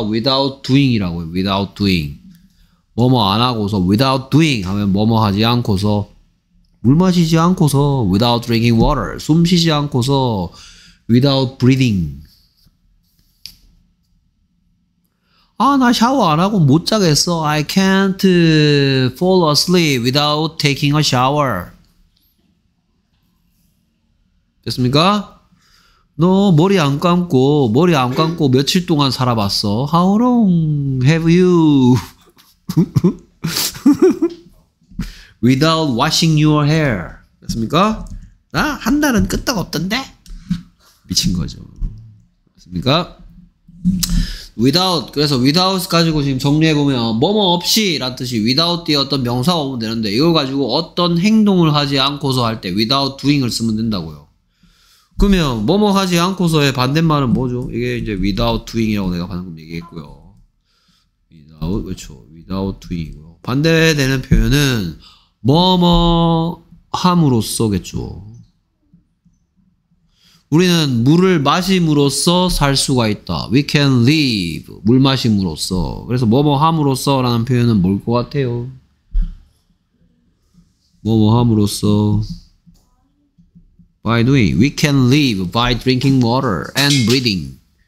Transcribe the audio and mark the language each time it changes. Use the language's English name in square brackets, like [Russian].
[English] 'Without doing' [Korean] 이라고 해요. 'Without doing' 뭐뭐 안하고서 'Without doing' 하면 뭐뭐 하지 않고서 물 마시지 않고서 [English] 'Without drinking water' [Korean] 숨 쉬지 않고서 [English] 'Without breathing' [Korean] 아 나 샤워 안하고 못 자겠어 [English] 'I can't fall asleep without taking a shower' [Korean] 됐습니까? 너 머리 안 감고 머리 안 감고 며칠 동안 살아봤어? [English] How long have you without washing your hair? [Korean] 됐습니까? 나 한 달은 끄떡 없던데? 미친 거죠. 됐습니까? without 그래서 without 가지고 지금 정리해 보면 뭐뭐 없이 라는 뜻이 without 뒤에 어떤 명사가 오면 되는데 이걸 가지고 어떤 행동을 하지 않고서 할 때 [English] without doing [Korean] 을 쓰면 된다고요. 그러면 뭐뭐 하지 않고서의 반대말은 뭐죠? 이게 이제 [English] without doing [Korean] 이라고 내가 방금 얘기했고요. without 그렇죠. [English] without doing [Korean] 이고요. 반대되는 표현은 뭐뭐 함으로써겠죠. 우리는 물을 마심으로써 살 수가 있다. [English] We can live [Korean] 물 마심으로써. 그래서 뭐뭐 함으로써라는 표현은 뭘 것 같아요? 뭐뭐 함으로써. [English] By doing, we can live by drinking water and breathing.